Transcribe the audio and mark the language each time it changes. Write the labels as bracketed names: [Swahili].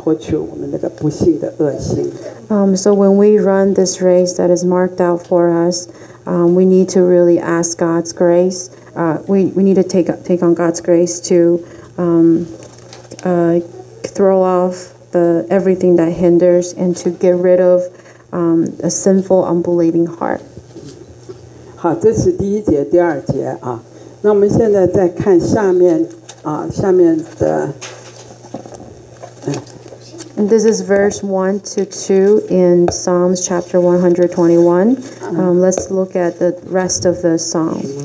[Chinese] 所以我们奔跑天路的时候，我们真的是要常常的来仰望耶稣，来真的是求神的恩典，除去我们不幸的恶心，脱去我们残累我们的罪，脱去我们那个不幸的恶心。 [English] So when we run this race that is marked out for us, we need to really ask God's grace. We need to take on God's grace to throw off the everything that hinders and to get rid of a sinful, unbelieving heart. [Chinese] 好，这是第一节、第二节啊。那我们现在再看下面的。 [English] And this is verse 1 to 2 in Psalms chapter 121. Let's look at the rest of the psalm.